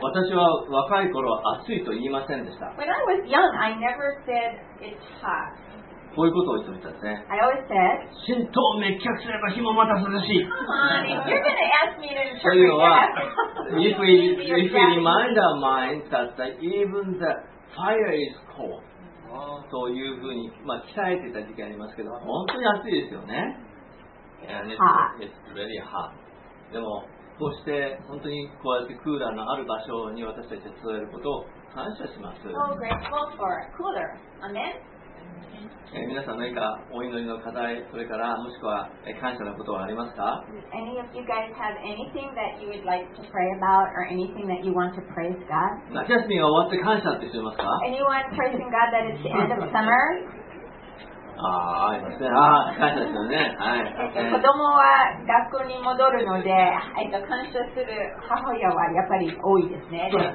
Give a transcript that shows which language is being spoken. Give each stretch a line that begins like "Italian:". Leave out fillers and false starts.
Japanese: 私は若い頃は暑いと言いませんでした。
English: When I was young, I never said it's hot.
Japanese: こういうことを言ってたんですね。
English: I always said,
Japanese: 浸透滅却すれば日もまた涼しい。
English: You're gonna ask me to interpret that.
Japanese: というのは、
English: if we remind our minds that the, even the fire is cold,
Japanese: そういうふうに、まあ、鍛えてた時期ありますけど、本当に暑いですよね。
English: And it's really hot.
Japanese: でも、こうして本当にこうやってクーラーのある場所に私たちが座ることを感謝します。
English: So grateful for cooler. Amen.
Japanese: 皆さん何かお祈りの課題、それからもしくは感謝のことはありますか？
English: Any of you guys have anything that you would like to pray about or anything that you want to praise God?
Japanese: 夏休みが終わって感謝ってしてますか？
English: Anyone praising God that it's the end of summer?
Japanese: ああ、感謝ですよね。はい。子供は学校に戻るので、感謝する母親はやっぱり多いですね。